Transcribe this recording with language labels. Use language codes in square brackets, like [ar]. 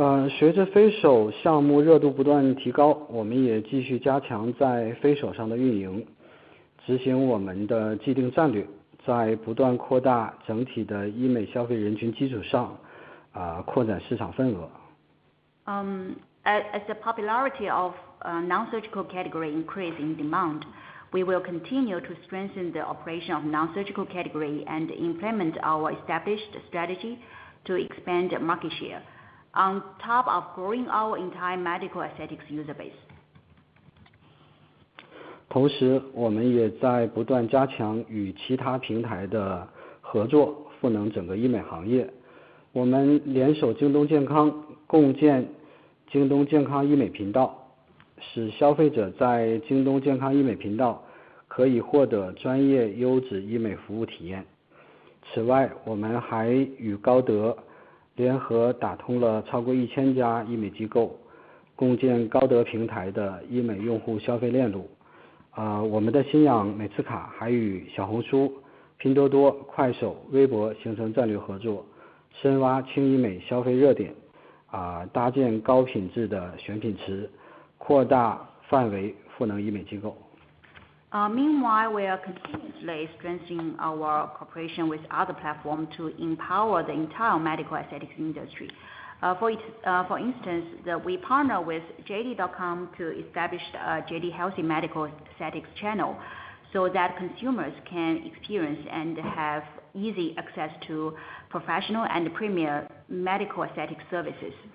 [zh] 随着飞手项目热度不断提高，我们也继续加强在飞手上的运营，执行我们的既定战略，在不断扩大整体的医美消费人群基础上，扩展市场份额。 [en] As the popularity of non-surgical category increases in demand, we will continue to strengthen the operation of non-surgical category and implement our established strategy to expand market share. On top of growing our entire medical aesthetics user base. [zh] 同时我们也在不断加强与其他平台的合作，赋能整个医美行业。我们联手京东健康，共建京东健康医美频道，使消费者在京东健康医美频道可以获得专业优质医美服务体验。此外，我们还与高德联合打通了超过1000家医美机构，共建高德平台的医美用户消费链路。我们的新氧美次卡还与小红书、拼多多、快手、微博形成战略合作，深挖轻医美消费热点，搭建高品质的选品池，扩大范围赋能医美机构。 [en] Meanwhile, we are continuously strengthening our cooperation with other platforms to empower the entire medical aesthetics industry. For instance, we partner with JD.com to establish a JD Healthy Medical Aesthetics channel so that consumers can experience and have easy access to professional and premier medical aesthetic services.